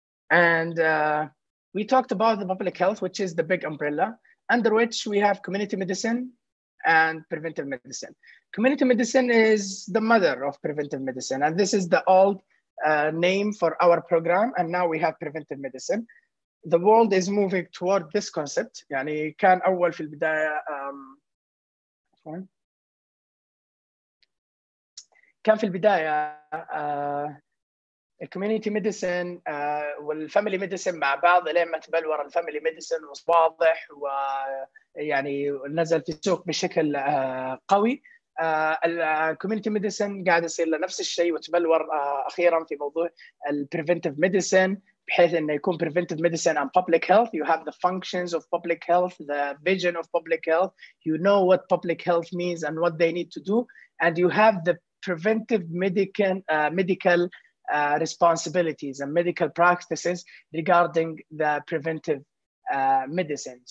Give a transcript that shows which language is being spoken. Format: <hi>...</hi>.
<en>And we talked about the public health, which is the big umbrella under which we have community medicine and preventive medicine. Community medicine is the mother of preventive medicine, and this is the old name for our program, and now we have preventive medicine. The world is moving toward this concept.</en> <ar>يعني كان أول في البداية كان في البداية الكوميونيتي ميديسن والفاميلي ميديسن مع بعض، لين ما تبلور الفاميلي ميديسن واضح ويعني نزل في السوق بشكل قوي. الكوميونيتي ميديسن قاعد يصير لنفس الشيء وتبلور أخيرا في موضوع البريفنتيف ميديسن، بحيث إنه يكون</ar> <en>preventive medicine and public health. You have the functions of public health, the vision of public health. You know what public health means and what they need to do. And you have the preventive medical responsibilities and medical practices regarding the preventive medicine.</en>